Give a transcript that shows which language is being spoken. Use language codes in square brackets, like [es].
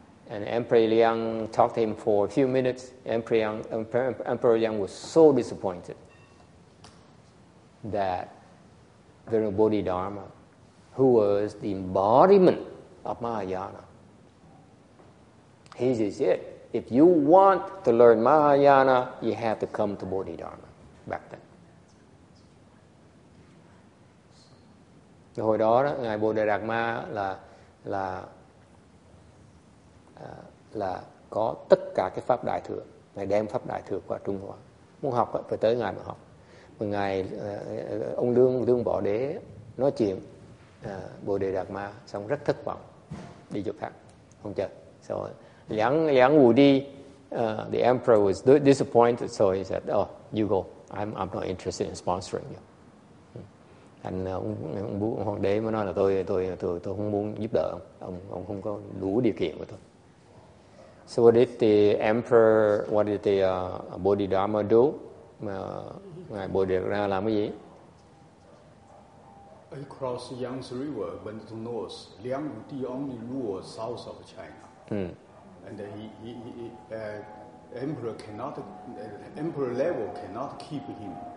[en] And Emperor Liang talked to him for a few minutes. Emperor Liang was so disappointed that Venerable Bodhidharma, who was the embodiment of Mahayana, he said, if you want to learn Mahayana, you have to come to Bodhidharma back then. [vi] Hồi đó, Ngài Bồ Đề Đạt Ma là có tất cả cái pháp đại thừa, ngài đem pháp đại thừa qua Trung Hoa, muốn học phải tới ngài mà học. Mà ngài ông Lương Võ Đế nói chuyện Bồ Đề Đạt Ma xong rất thất vọng, đi chỗ khác không chờ. [en] So Liang Wu Di, the emperor was disappointed, so he said, oh, you go, I'm not interested in sponsoring you. [vi] Anh ông Hoàng Đế mới nói là tôi không muốn giúp đỡ ông không có đủ điều kiện của tôi. [en] So what did the emperor, what did the Bodhidharma do? [vi] Ngài Bồ Đề ra làm cái gì? [en] He crossed the Yangtze River, went to north. Liang Wu Di only ruled south of China. And emperor level cannot keep him.